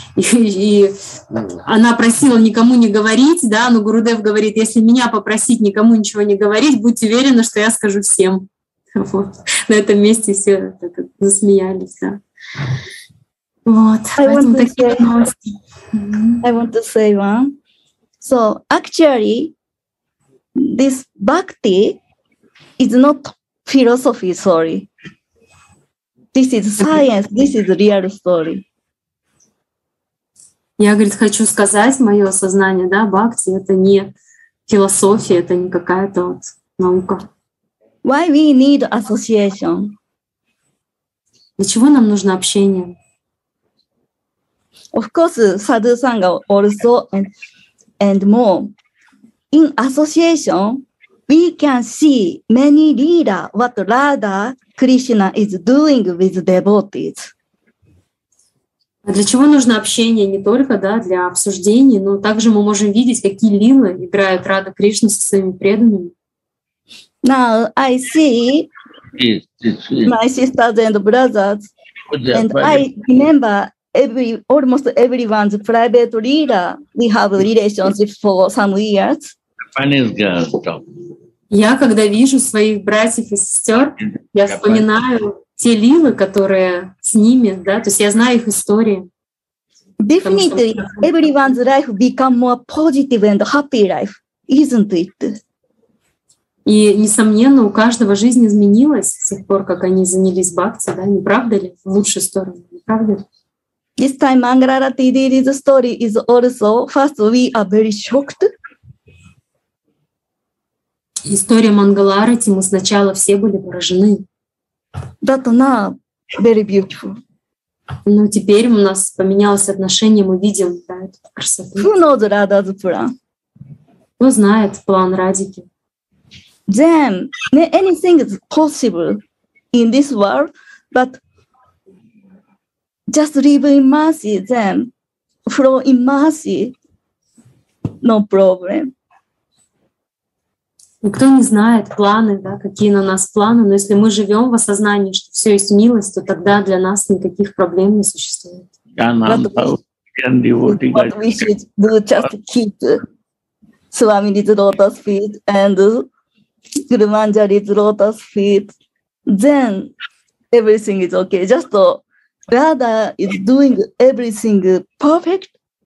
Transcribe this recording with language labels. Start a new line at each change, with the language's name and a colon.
Russian: И она просила никому не говорить, да, но Гурудев говорит, если меня попросить никому ничего не говорить, будьте уверены, что я скажу всем. Вот. На этом месте все так засмеялись. Да. Вот, поэтому такие новости.
English: I want to say one. So, actually, this bhakti is not philosophy, sorry. This is science, this is real story.
Russian: Я, говорит, хочу сказать, мое сознание, да, бхакти, это не философия, это не какая-то вот наука.
English: Why we need association?
Russian: Для чего нам нужно общение?
English: Of course, Sadhu Sangha also and more. In association, we can see many leaders what Radha Krishna is doing with devotees.
Russian: А для чего нужно общение? Не только да, для обсуждений, но также мы можем видеть, какие лилы играет Радха Кришна со своими преданными.
English: Now I see my sisters and brothers, and I remember almost everyone's private leader. We have relationship for some years.
Russian: Я когда вижу своих братьев и сестер, я вспоминаю те лилы, которые с ними, да, то есть я знаю их истории.
English: Definitely, everyone's life become more positive and happy life, isn't it?
Russian: И, несомненно, у каждого жизнь изменилась с тех пор, как они занялись бхакти, да, не правда ли? В лучшую сторону, не правда ли?
English: This time Mangalarati Devi's story is also, first we are very shocked.
Russian: История Мангаларати, мы сначала все были поражены.
English: That's not very beautiful.
Russian: Но теперь у нас поменялось отношение, мы видим, да, эту красоту.
English: Who knows Radha's plan?
Russian: Кто знает план Радики?
English: Then anything is possible in this world, but just live in mercy, then flow in mercy, no problem.
Russian: Никто не знает планы, да, какие на нас планы, но если мы живем в осознании, что все есть милость, то тогда для нас никаких проблем не существует.
English: What we should do, just keep Swami's lotus feet and Guru Manjari's lotus feet, then everything is okay. Just Radha is doing everything perfect.